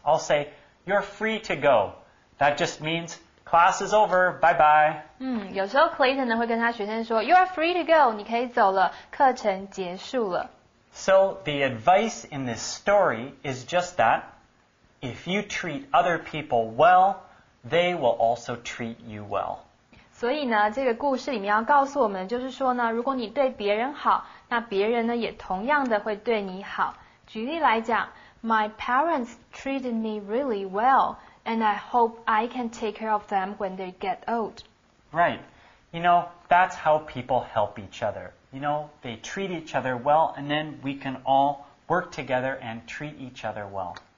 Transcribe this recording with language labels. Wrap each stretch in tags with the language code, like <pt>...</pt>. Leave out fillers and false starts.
<en>I'll say, you're free to go. That just means class is over, bye bye.</en> <zh>有时候 Clayton 呢会跟他学生说</zh> <en>You are free to go,</en> <zh>你可以走了课程结束了。</zh> <en>So the advice in this story is just that if you treat other people well, they will also treat you well.</en> <zh>所以呢，这个故事里面要告诉我们的就是说呢，如果你对别人好，那别人呢也同样的会对你好。举例来讲</zh> <en>，My parents treated me really well, and I hope I can take care of them when they get old. Right. You know, that's how people help each other. You know, they treat each other well, and then we can all work together and treat each other well.</en>